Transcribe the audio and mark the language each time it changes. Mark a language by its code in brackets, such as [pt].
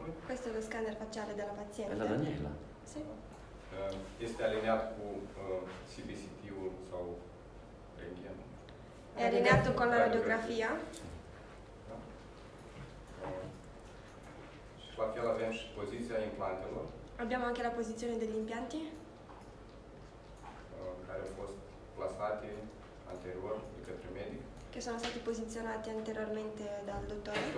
[it] Questo è lo scanner facciale della paziente. È la Daniela. Sì. [ro] Este alineat cu CBCT-ul sau rentgen. [it] È allineato con la radiografia. [ro] La fel avem și poziția implantelor. [it] Abbiamo anche la posizione degli impianti. [ro] Care au fost plasate anterior de către medic. [it] Che sono stati posizionati anteriormente dal dottore.